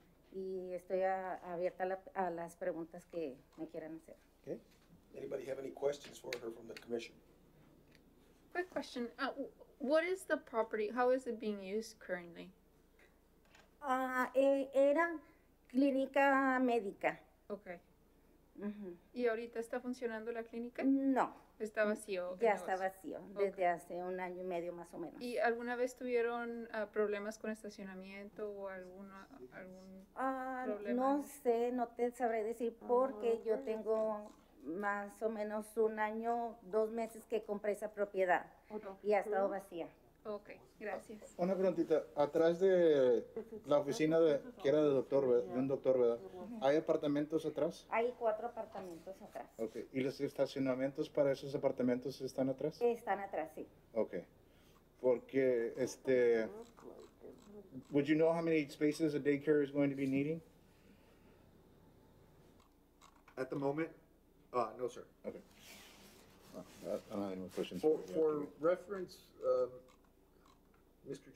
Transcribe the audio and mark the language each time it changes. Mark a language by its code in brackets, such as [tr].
[es] Y estoy abierta a las preguntas que me quieran hacer. [en] Okay. Anybody have any questions for her from the commission? Quick question. What is the property? How is it being used currently? [es] Era clínica médica. [en] Okay. [es] Mm-hmm. ¿Y ahorita está funcionando la clínica? No. ¿Está vacío? Ya está vacío, desde hace un año y medio más o menos. ¿Y alguna vez tuvieron problemas con estacionamiento o algún problema? No sé, no te sabré decir porque yo tengo más o menos un año, dos meses que compré esa propiedad y ha estado vacía. Ok, gracias. Una preguntita, atrás de la oficina de, que era de doctor, de un doctor, ¿verdad? ¿Hay apartamentos atrás? Hay cuatro apartamentos atrás. Ok, ¿y los estacionamientos para esos apartamentos están atrás? Están atrás, sí. Ok, porque [en] would you know how many spaces a daycare is going to be needing? At the moment? No, sir. Okay. I don't have any more questions. For reference, Mr.